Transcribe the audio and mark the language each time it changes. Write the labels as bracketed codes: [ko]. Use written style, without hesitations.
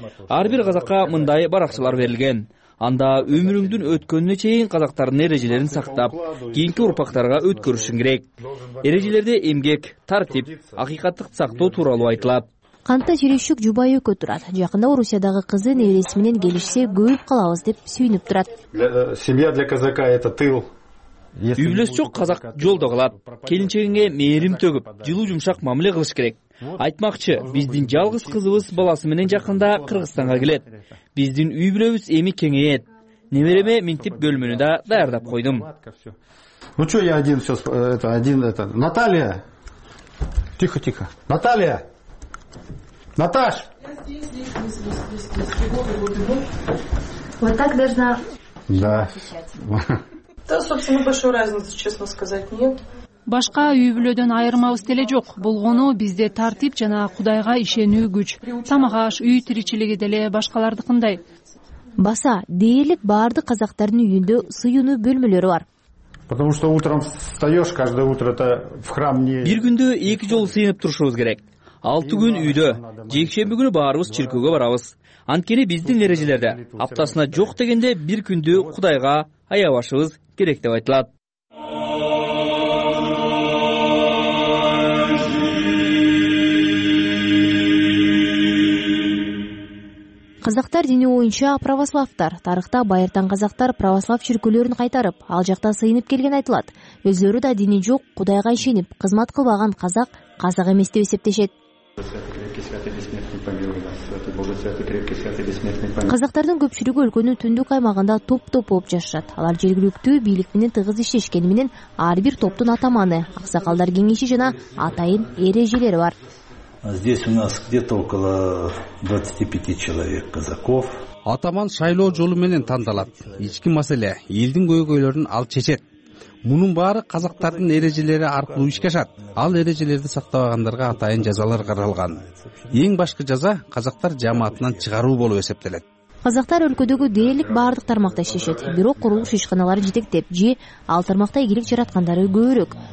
[ky] Ар бир казакка мындай баракчалар берилген. Анда өмүрүңдүн өткөнүнө чейин казактардын эрежелерин сактап, кийинки урпактарга өткөрүшүң керек. Эрежелерде эмгек, тартип, акыйкаттык сактоо тууралуу айтылат. Канта жүрүшүк жубайы өкө турат. Жакында Орусиядагы кызы небереси менен келишсе көрүп калабыз деп сүйүнүп турат. [ru] Семья для казака это тыл. [ky] Үйлөсү жок казак жолдо калат. Келинчегиңе мээрим төгүп, жылуу жумшак мамиле кылыш керек. Айтмакчы, биздин жалгыз кызыбыз баласы менен жакында Кыргызстанга келет. Биздин үй бүлөбүз эми кеңейет. Небереме минтип бөлмөнү да даярдап койдум. [ru] Ну что, я один сейчас это один это Наталья. Тихо, тихо. Наталья. Наташ. Вот так должна. Да. Да, собственно, большой разницы, честно сказать, нет. [ky] Башка үй бүлөдөн айырмабыз деле жок. Болгону бизде тартип жана Кудайга ишенүү күч. Тамак аш, үй тиричилиги деле башкалардыкындай. Баса, дээрлик баардык казактардын үйүндө сыйынуу бөлмөлөрү бар. [ru] Потому что утром встаёшь, каждое утро это в храм не. [ky] Бир күндө 2 жолу сыйынып турушубуз керек. 6 күн үйдө, жекшемби күнү баарыбыз чиркөөгө барабыз. Анткени биздин эрежелерде аптасына жок дегенде 1 күндү Кудайга аябашыбыз керек деп айтылат. Казактар дини боюнча православдар. Тарыхта байыртан казактар православ чиркөөлөрүн кайтарып, ал жакта сыйынып келген айтылат. Өзлөрү да дини жок, Кудайга ишенип, кызмат кылбаган казак казак эмес деп эсептешет. Казактардын көпчүлүгү өлкөнүн түндүк аймагында топ-топ болуп жашашат. Алар жергиликтүү бийлик менен тыгыз иштешкени менен ар бир топтун атаманы, аксакалдар кеңеши жана атайын эрежелери бар. [ru] Здесь у нас где-то около 25 человек казаков. [ky] Атаман шайлоо жолу менен тандалат. Ички маселе, элдин көйгөйлөрүн ал чечет. Мунун баары казактардын эрежелери аркылуу ишкешат. Ал эрежелерди сактабагандарга атайын жазалар каралган. Эң башкы жаза казактар жамаатынан чыгаруу болуп эсептелет. Казактар өлкөдөгү дээрлик баардык тармакта иштешет. Бирок курулуш ишканалары жетектеп, же ал тармакта ийгилик жараткандары көбүрөөк.